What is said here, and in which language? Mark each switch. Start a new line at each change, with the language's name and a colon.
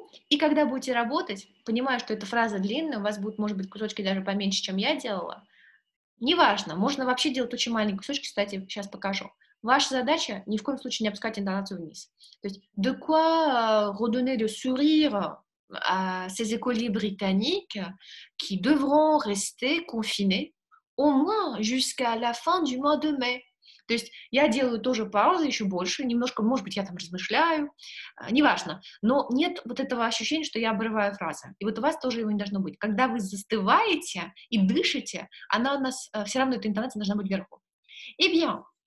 Russian: И когда будете работать, понимая, что эта фраза длинная, у вас будут, может быть, кусочки даже поменьше, чем я делала. Неважно, можно вообще делать очень маленькие кусочки, кстати, сейчас покажу. Ваша задача ни в коем случае не опускать интонацию вниз. То есть,
French: de quoi redonner le sourire à ces écoliers britanniques qui devront rester confinés au moins jusqu'à la fin du mois de mai.
Russian: То есть я делаю тоже паузу еще больше, немножко, может быть, я там размышляю, неважно. Но нет вот этого ощущения, что я обрываю фразы. И вот у вас тоже его не должно быть. Когда вы застываете и дышите, она у нас, все равно эта интонация должна быть вверху.
French: Et bien,